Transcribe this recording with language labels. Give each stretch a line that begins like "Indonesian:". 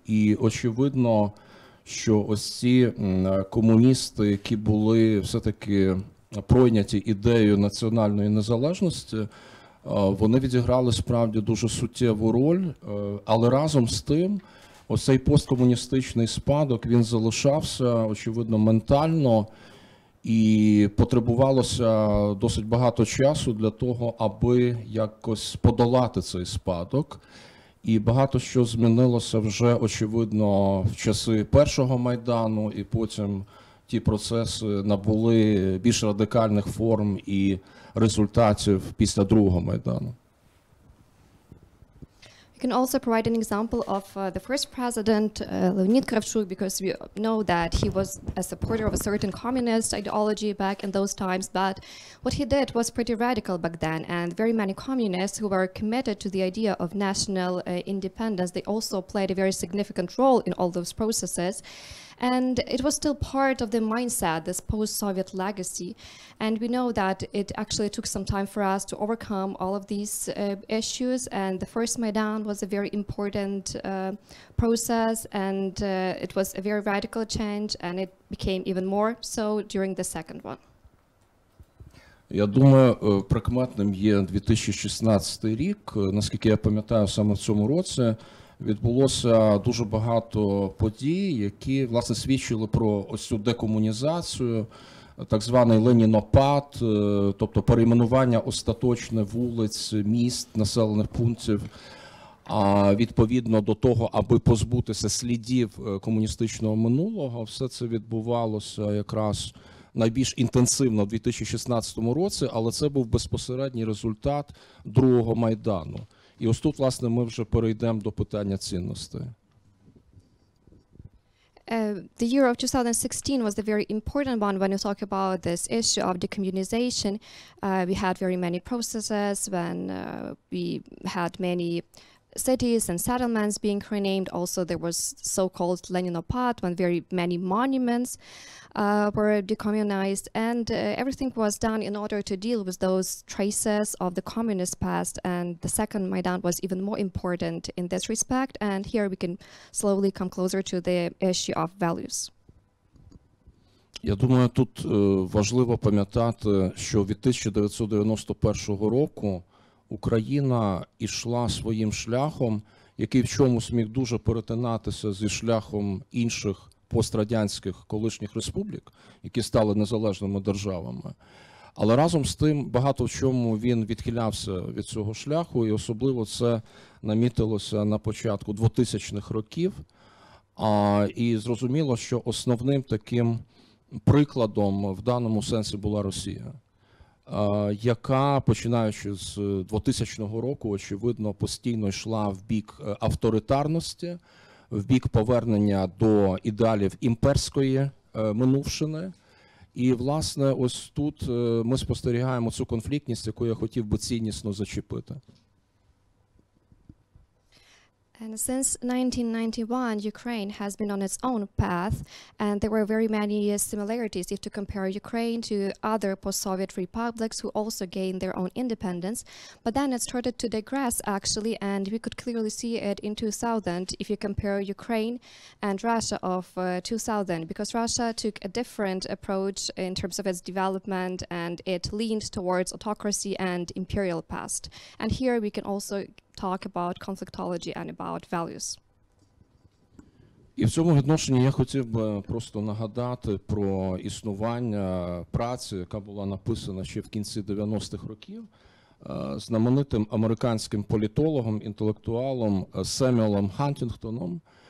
Ukrainian: І очевидно, що ось ці комуністи, які були все-таки пройняті ідеєю національної незалежності, вони відіграли справді дуже суттєву роль, але разом з тим, оцей посткомуністичний спадок, він залишався, очевидно, ментально, і потребувалося досить багато часу для того, аби якось подолати цей спадок. І багато що змінилося вже, очевидно, в часи першого Майдану і потім ті процеси набули більш радикальних форм і результатів після другого Майдану.
English: can also provide an example of the first president, Leonid Kravchuk, because we know that he was a supporter of a certain communist ideology back in those times. But what he did was pretty radical back then. And very many communists who were committed to the idea of national independence, they also played a very significant role in all those processes. And it was still part of the mindset, this post-Soviet legacy. And we know that it actually took some time for us to overcome all of these issues. And the first Maidan was a very important process, and it was a very radical change, and it became even more so during the second one.
Ukrainian: Я думаю, прагматичним є 2016 рік. Наскільки я пам'ятаю, саме в цьому році відбулося дуже багато подій, які, власне, свідчили про ось цю декомунізацію, так званий ленінопад, тобто перейменування остаточне вулиць, міст, населених пунктів, а відповідно до того, аби позбутися слідів комуністичного минулого. Все це відбувалося якраз найбільш інтенсивно в 2016 році, але це був безпосередній результат другого Майдану. І ось тут, власне, ми вже перейдемо до питання цінностей.
English: The year of 2016 was a very important one when you talk about this issue of decommunization. We had very many processes when we had many cities and settlements being renamed. Also, there was so-called Leninopad, when very many monuments were decommunized, and everything was done in order to deal with those traces of the communist past. And the second Maidan was even more important in this respect. And here we can slowly come closer to the issue of values.
Ukrainian: Я думаю, тут важливо пам'ятати, що від 1991 року Україна йшла своїм шляхом, який в чомусь міг дуже перетинатися зі шляхом інших пострадянських колишніх республік, які стали незалежними державами. Але разом з тим, багато в чому він відхилявся від цього шляху, і особливо це намітилося на початку 2000-х років. І зрозуміло, що основним таким прикладом в даному сенсі була Росія, яка, починаючи з 2000 року, очевидно, постійно йшла в бік авторитарності, в бік повернення до ідеалів імперської минувшини. І, власне, ось тут ми спостерігаємо цю конфліктність, яку я хотів би ціннісно зачепити.
English: And since 1991, Ukraine has been on its own path, and there were very many similarities if to compare Ukraine to other post-Soviet republics who also gained their own independence. But then it started to digress, actually, and we could clearly see it in 2000 if you compare Ukraine and Russia of 2000, because Russia took a different approach in terms of its development, and it leaned towards autocracy and imperial past. And here we can also talk about conflictology and about values.
Ukrainian: І в цьому відношенні я хотів би просто нагадати про існування праці, яка була написана ще в кінці 90-х років знаменитим американським політологом, інтелектуалом Семюелом Хантінгтоном.